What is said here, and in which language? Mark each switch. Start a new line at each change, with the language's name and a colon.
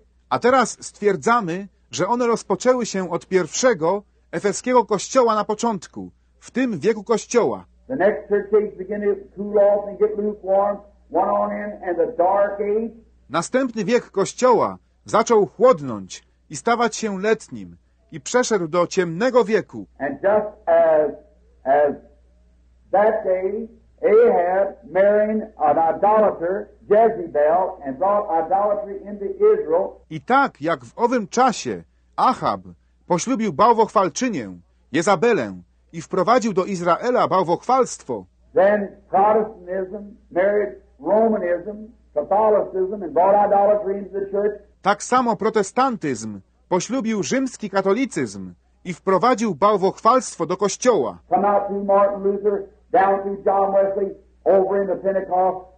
Polish: A teraz stwierdzamy, że one rozpoczęły się od pierwszego efeskiego kościoła na początku, w tym wieku kościoła.
English: The next church age began to cool off and get lukewarm, one on in and the dark age.
Polish: Następny wiek Kościoła zaczął chłodnąć i stawać się letnim i przeszedł do ciemnego wieku.
English: And just as that day Ahab married an idolater, Jezebel, and brought idolatry into Israel.
Polish: I tak jak w owym czasie Achab poślubił bałwochwalczynię, Jezabelę, i wprowadził do Izraela bałwochwalstwo.
English: Then Protestantism married Romanism. Catholicism and brought idolatry into the church.
Polish: Tak samo protestantyzm poślubił rzymski katolicyzm i wprowadził bałwochwalstwo do Kościoła.
English: Come out through Martin Luther, down through John Wesley, over into Pentecost,